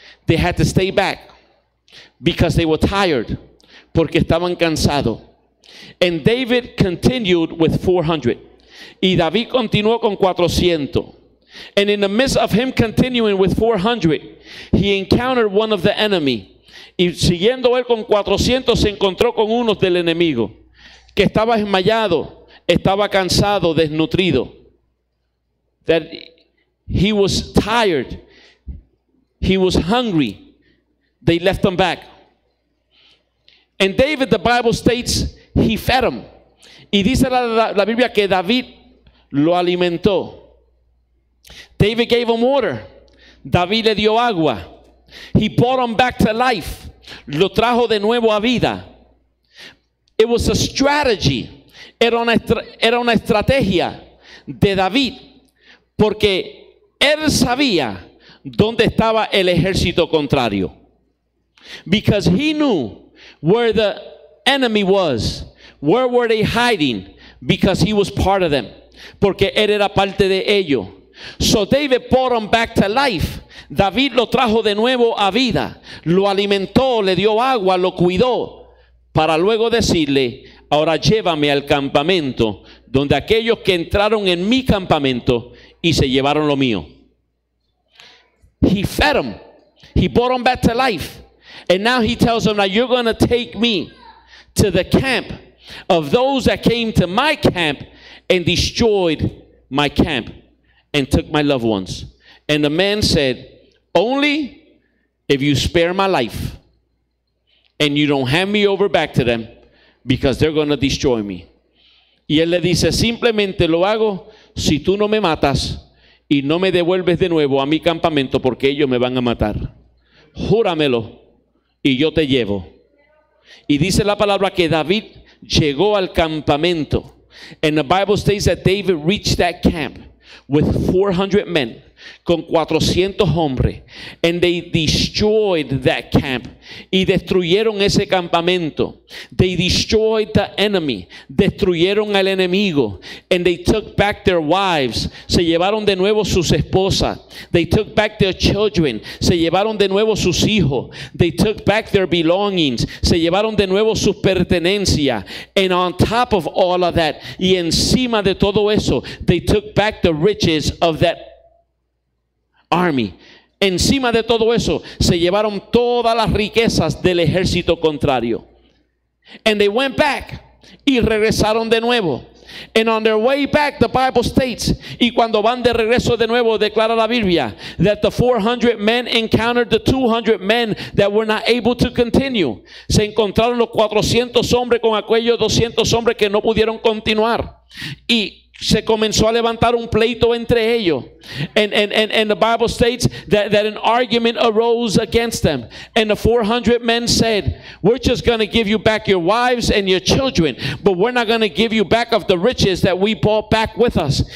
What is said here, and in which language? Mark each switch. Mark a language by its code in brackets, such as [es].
[en] They had to stay back because they were tired. [es] Porque estaban cansados. [en] And David continued with 400. [es] Y David continuó con 400. [en] And in the midst of him continuing with 400, he encountered one of the enemy. [es] Y siguiendo él con 400, se encontró con uno del enemigo, que estaba desmayado, estaba cansado, desnutrido. [en] That he was tired. He was hungry. They left him back. And David, the Bible states, he fed him. [es] Y dice la Biblia que David lo alimentó. [en] David gave him water. [es] David le dio agua. [en] He brought him back to life. [es] Lo trajo de nuevo a vida. [en] It was a strategy. [es] Era una estrategia de David. Porque él sabía dónde estaba el ejército contrario. [en] Because he knew where the enemy was. Where were they hiding? Because he was part of them. [es] Porque él era parte de ello. [en] So David brought him back to life. [es] David lo trajo de nuevo a vida. Lo alimentó, le dio agua, lo cuidó. Para luego decirle: ahora llévame al campamento donde aquellos que entraron en mi campamento y se llevaron lo mío. [en] He fed him. He brought him back to life. And now he tells him, now you're going to take me to the camp of those that came to my camp and destroyed my camp and took my loved ones. And the man said, only if you spare my life and you don't hand me over back to them, because they're going to destroy me. [es] Y él le dice, simplemente lo hago si tú no me matas y no me devuelves de nuevo a mi campamento, porque ellos me van a matar. Júramelo y yo te llevo. Y dice la palabra que David llegó al campamento. [en] And the Bible states that David reached that camp with 400 men, [es] con 400 hombres. [en] And they destroyed that camp. [es] Y destruyeron ese campamento. [en] They destroyed the enemy. [es] Destruyeron al enemigo. [en] And they took back their wives. [es] Se llevaron de nuevo sus esposas. [en] They took back their children. [es] Se llevaron de nuevo sus hijos. [en] They took back their belongings. [es] Se llevaron de nuevo sus pertenencias. [en] And on top of all of that, [es] y encima de todo eso, [en] they took back the riches of that army. [es] Encima de todo eso, se llevaron todas las riquezas del ejército contrario. [en] And they went back, [es] y regresaron de nuevo. [en] And on their way back, the Bible states, [es] y cuando van de regreso de nuevo, declara la Biblia, [en] that the 400 men encountered the 200 men that were not able to continue. [es] Se encontraron los 400 hombres con aquellos 200 hombres que no pudieron continuar. Y se comenzó a levantar un pleito entre ellos. [en] And the Bible states that an argument arose against them. And the 400 men said, we're just going to give you back your wives and your children, but we're not going to give you back of the riches that we brought back with us.